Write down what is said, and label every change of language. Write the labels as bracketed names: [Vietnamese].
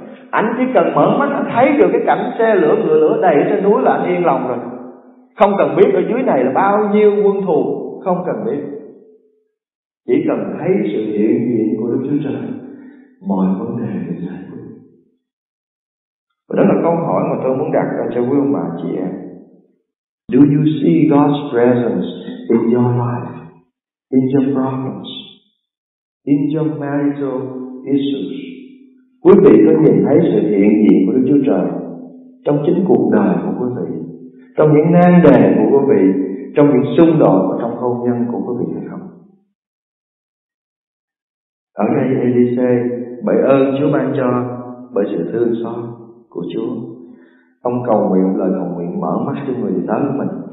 [Vietnamese] Anh chỉ cần mở mắt anh thấy được cái cảnh xe lửa, ngựa lửa đầy trên núi là anh yên lòng rồi. Không cần biết ở dưới này là bao nhiêu quân thù, không cần biết. Chỉ cần thấy sự hiện diện của Đức Chúa Trời, mọi vấn đề được giải quyết. Và đó là câu hỏi mà tôi muốn đặt ra cho quý ông bà chị em. [English] Do you see God's presence in your life, in your problems, in your marital issues? [Vietnamese] Quý vị có nhìn thấy sự hiện diện của Đức Chúa Trời trong chính cuộc đời của quý vị, trong những nan đề của quý vị, trong những xung đột và trong hôn nhân của quý vị hay không? Ở đây Elise bởi ơn Chúa ban cho, bởi sự thương xót của Chúa, ông cầu nguyện lời cầu nguyện mở mắt cho người đầy tớ của mình.